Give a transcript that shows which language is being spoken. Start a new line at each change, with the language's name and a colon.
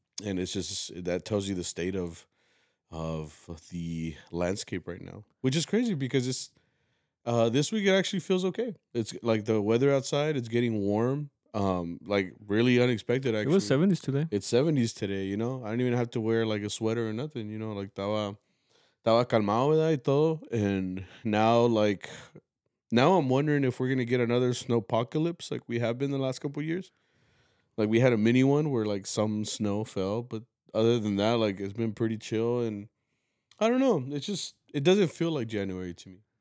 English: And it's just, that tells you the state of the landscape right now, which is crazy because it's, this week it actually feels okay. It's the weather outside, it's getting warm. Really unexpected, actually. It was 70s today. It's 70s today, you know? I didn't even have to wear, a sweater or nothing, you know?
Spanish: Estaba calmado, ¿verdad? Y todo.
English: And now, now I'm wondering if we're going to get another snowpocalypse like we have been the last couple of years. We had a mini one where, some snow fell. But other than that, it's been pretty chill. And I don't know. It's just, it doesn't feel like January to me.